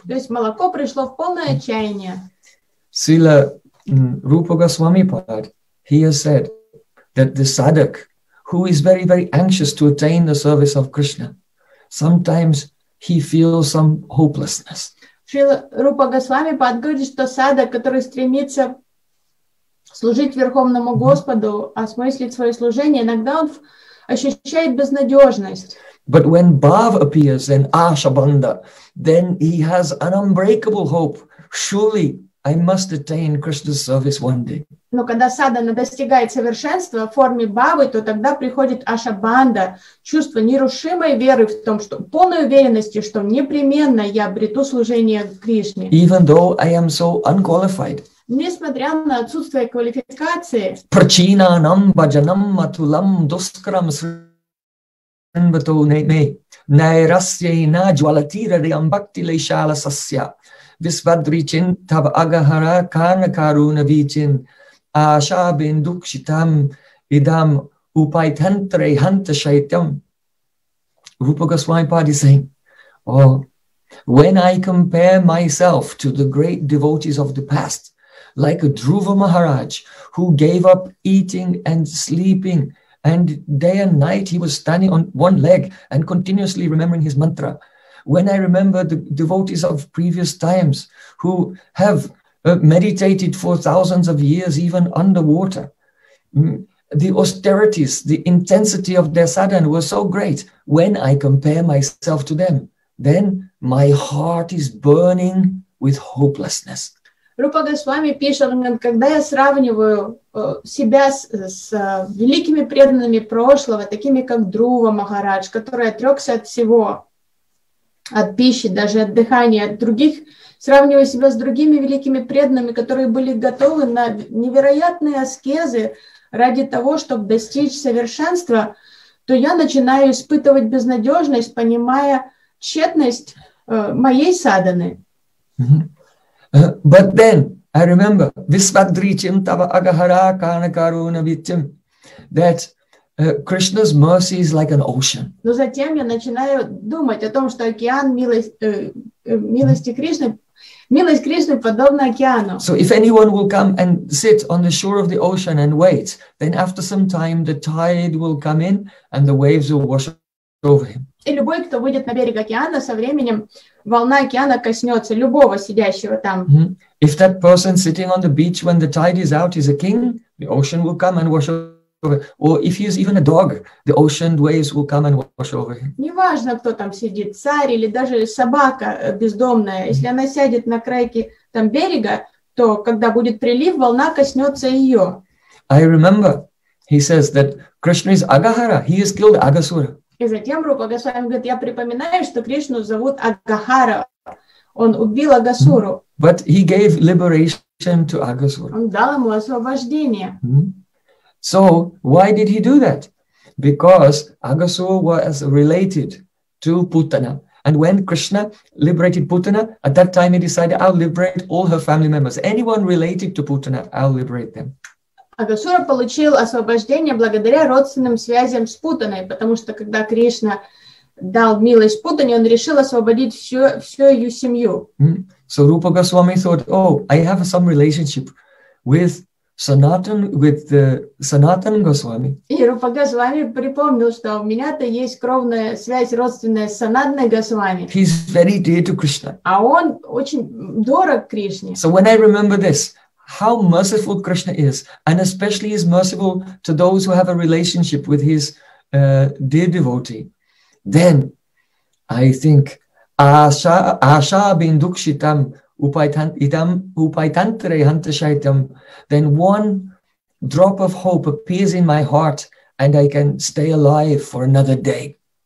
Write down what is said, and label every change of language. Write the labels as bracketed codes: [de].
[ru] То есть молоко пришло в полное отчаяние. [en] Srila Rupa Goswami Pad, he has said that the sadhak, who is very, very anxious to attain the service of Krishna, sometimes he feels some hopelessness. [ru] Шрила Рупа Госвами подговорит, что садак, который стремится служить Верховному Господу, осмыслить свое служение, иногда он ощущает безнадежность. [en] But when Bhav appears in Ashabanda, then he has an unbreakable hope. Surely I must attain Krishna's service one day. [ru] Но когда садана достигает совершенства в форме Бхавы, то тогда приходит Ашабанда, чувство нерушимой веры в том, что полной уверенности, что непременно я обрету служение Кришне. [en] Even though I am so unqualified. [ru] Несмотря на отсутствие квалификации. [sa] Прачина нам баджанам матулам дускрам срынбату нейме найрасьей на джвалатирариам бхактилейшала сасья висвадри чин тав агахара кана каруна вичин Аша бендукшитам идам упайтантре хантшайтам. [en] Rupa Goswami Pad is saying, oh, when I compare myself to the great devotees of the past, like a Dhruva Maharaj, who gave up eating and sleeping, and day and night he was standing on one leg and continuously remembering his mantra. When I remember the devotees of previous times who have meditated for thousands of years, even underwater. The austerities, the intensity of their sadhana were so great. When I compare myself to them, then my heart is burning with hopelessness. [ru] Рупа Госвами пишет, когда я сравниваю себя с великими преданными прошлого, такими как Друва Махарадж, который отрекся от всего, от пищи, даже от дыхания, от других, сравнивая себя с другими великими преданными, которые были готовы на невероятные аскезы ради того, чтобы достичь совершенства, то я начинаю испытывать безнадежность, понимая тщетность моей садханы. [en] But then I remember [sa] Visvadrichim Tava Agahara Kanakaruna Vichim, [en] that Krishna's mercy is like an ocean. [ru] Но затем я начинаю думать о том, что океан милости Кришны. Милость Кришны подобна океану. [en] So if anyone will come and sit on the shore of the ocean and wait, then after some time the tide will come in and the waves will wash over him. [ru] И любой, кто выйдет на берег океана, со временем волна океана коснется любого сидящего там. [en] If that person sitting on the beach when the tide is out is a king, the ocean will come and wash over him. Or if he is even a dog, the ocean waves will come and wash over him. [ru] Неважно, кто там сидит, царь или даже собака бездомная. Если она сядет на крайке там берега, то когда будет прилив, волна коснется ее. [en] I remember, he says that Krishna is Agahara. He has killed Agasura. [ru] И затем Рупа Госвами говорит, я припоминаю, что Кришну зовут Агахара. Он убил Агасуру. [en] But he gave liberation to Агасура. [ru] Он дал ему освобождение. [en] So why did he do that? Because Agasura was related to Putana, And when Krishna liberated Putana, at that time he decided, I'll liberate all her family members. Anyone related to Putana, I'll liberate them. [ru] Агасура получил освобождение благодаря родственным связям с Путаной, потому что когда Кришна дал милость Путане, он решил освободить всю ее семью. [en] So Rupa Goswami thought, oh, I have some relationship with Sanatan, with the Sanatan Goswami. [ru] И Рупа Госвами припомнил, что у меня-то есть кровная связь родственная с Санатаной Госвами. [en] He's very dear to Krishna. [ru] А он очень дорог Кришне. [en] So when I remember this, how merciful Krishna is, and especially is merciful to those who have a relationship with his dear devotee, then I think [sa] asha binduksitam upaitantre hantashaitam, [en] then one drop of hope appears in my heart and I can stay alive for another day.